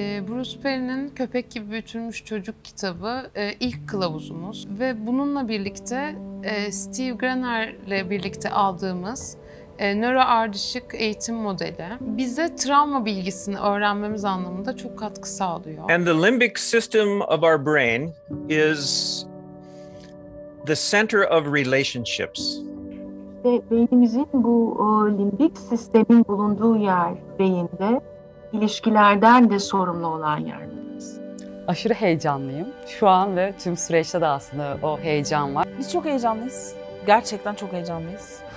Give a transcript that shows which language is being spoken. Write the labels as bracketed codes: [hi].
[tr] Bruce Perry'nin Köpek Gibi Büyütülmüş Çocuk kitabı ilk kılavuzumuz. Ve bununla birlikte Steve Greiner'le birlikte aldığımız nöro ardışık eğitim modeli bize travma bilgisini öğrenmemiz anlamında çok katkı sağlıyor. [en] And the limbic system of our brain is the center of relationships. [tr] Ve beynimizin bu limbik sistemin bulunduğu yer beyinde ilişkilerden de sorumlu olan yerimiz. Aşırı heyecanlıyım. Şu an ve tüm süreçte de aslında o heyecan var. Biz çok heyecanlıyız. Gerçekten çok heyecanlıyız.